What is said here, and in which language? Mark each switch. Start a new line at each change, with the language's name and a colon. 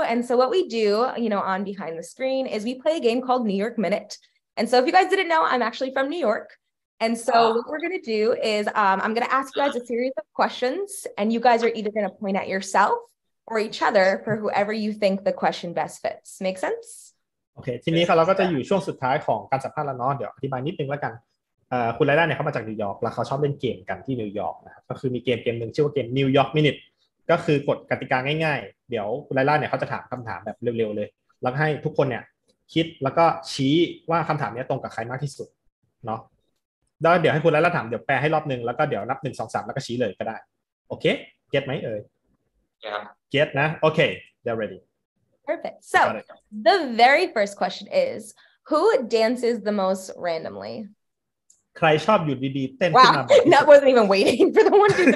English: And so what we do, you know, on Behind the Screen is we play a game called New York Minute. And so if you guys didn't know, I'm actually from New York. And so what we're going to do is I'm going to ask you guys a series of questions. And you guys are either going to point at yourself or each other for whoever you think the question best fits. Make sense?
Thai: โอเคทีนี้ครับเราก็จะอยู่ช่วงสุดท้ายของการสัมภาษณ์แล้วเนาะเดี๋ยวอธิบายนิดนึงแล้วกัน คุณไลด้าเนี่ยเขามาจากนิวยอร์กแล้วเขาชอบเล่นเกมกันที่นิวยอร์กนะครับก็คือมีเกมนึงชื่อว่าเกม New York Minute ก็คือกฎกติกาง่ายๆเดี๋ยวคุณไลด้าเนี่ยเขาจะถามคำถามแบบเร็วๆเลยแล้วให้ทุกคนเนี่ยคิดแล้วก็ชี้ว่าคำถามเนี้ยตรงกับใครมากที่สุดเนาะแล้วเดี๋ยวให้คุณไลด้าถามเดี๋ยวแปลให้รอบนึงแล้วก็เดี๋ยวนับ1 2 3แล้วก็ชี้เลยก็ได้โอเคเก็ทมั้ยเอ่ย ครับ เก็ทนะโอเค
English: they're ready perfect so the very first question is who dances the most randomly
Thai: ใครชอบอยู่ดีๆเต้น ขึ้นมา
English: That wasn't even waiting for the one.